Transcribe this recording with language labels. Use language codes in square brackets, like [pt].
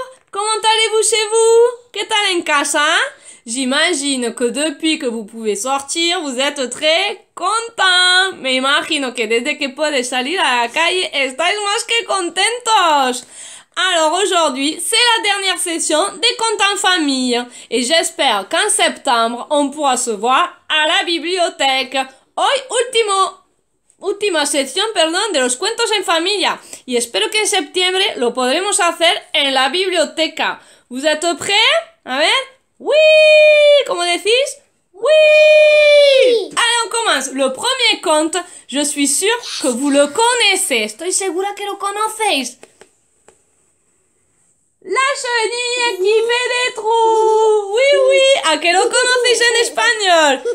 [fr] Comment allez-vous chez vous? Qu'est-ce qu'il y a en casa? J'imagine que depuis que vous pouvez sortir, vous êtes très content. [es] Me imagino que desde que puedes salir a la calle, estáis más que contentos. [fr] Alors aujourd'hui, c'est la dernière session des comptes en famille. Et j'espère qu'en septembre, on pourra se voir à la bibliothèque. [es] Hoy último. Última sección, perdón, de los cuentos en familia. Y espero que en septiembre lo podremos hacer en la biblioteca. [fr] ¿Vous êtes prêts? A ver. ¡Oui! [es] ¿Cómo decís? [fr] ¡Oui! Allez, on commence. Le premier conte, je suis sûre que vous le connaissez. [es] Estoy segura que lo conocéis. [fr] La chenille qui fait des trous. Oui. [es] ¿A que lo conocéis en español?